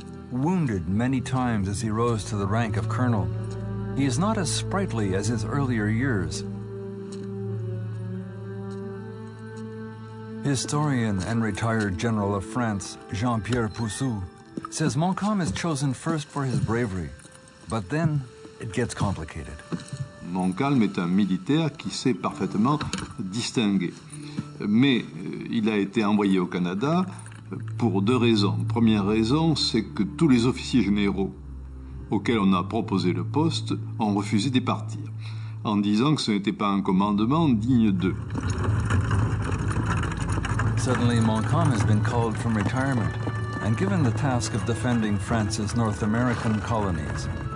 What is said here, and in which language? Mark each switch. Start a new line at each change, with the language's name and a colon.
English: Wounded many times as he rose to the rank of colonel, he is not as sprightly as his earlier years. Historian and retired general of France, Jean-Pierre Poussou, says Montcalm is chosen first for his bravery, but then it gets complicated.
French: Montcalm est un militaire qui sait parfaitement distinguer. Mais il a été envoyé au Canada pour deux raisons. Première raison, c'est que tous les officiers généraux auxquels on a proposé le poste ont refusé d'y partir, en disant que ce n'était pas un commandement digne d'eux.
English: Suddenly, Montcalm has been called from retirement and given the task of defending France's North American colonies.